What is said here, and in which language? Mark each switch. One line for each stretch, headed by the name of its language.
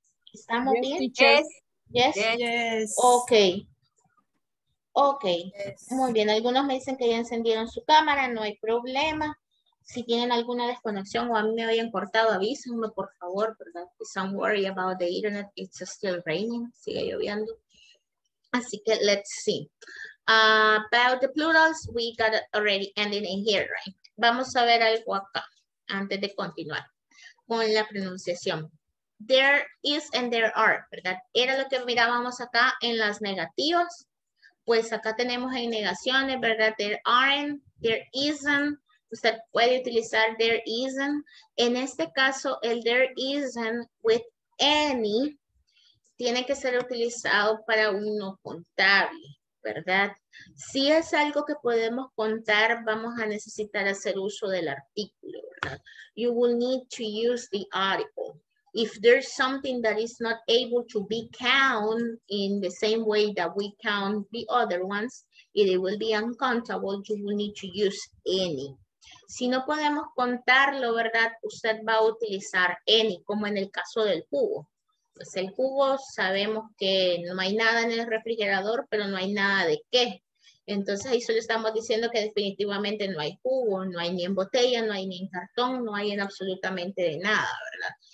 Spanish: ¿Estamos bien?
English: Yes. Yes. Yes.
Spanish: Ok. Ok, muy bien. Algunos me dicen que ya encendieron su cámara, no hay problema. Si tienen alguna desconexión o a mí me habían cortado, avísenme, por favor.
English: Don't worry about the internet, it's still raining,
Spanish: sigue lloviendo. Así que,
English: let's see. About the plurals, we got already ending in here, right?
Spanish: Vamos a ver algo acá, antes de continuar con la pronunciación.
English: There is and there are,
Spanish: ¿verdad? Era lo que mirábamos acá en las negativas. Pues acá tenemos en negaciones, ¿verdad?
English: There aren't, there isn't.
Spanish: Usted puede utilizar
English: there isn't.
Spanish: En este caso, el
English: there isn't with any
Spanish: tiene que ser utilizado para un no contable, ¿verdad? Si es algo que podemos contar, vamos a necesitar hacer uso del artículo, ¿verdad?
English: You will need to use the article. If there's something that is not able to be counted in the same way that we count the other ones, it will be uncountable, you will need to use any.
Spanish: Si no podemos contarlo, ¿verdad? Usted va a utilizar any, como en el caso del cubo. Pues el cubo, sabemos que no hay nada en el refrigerador, pero no hay nada de qué. Entonces ahí solo estamos diciendo que definitivamente no hay cubo, no hay ni en botella, no hay ni en cartón, no hay en absolutamente de nada, ¿verdad?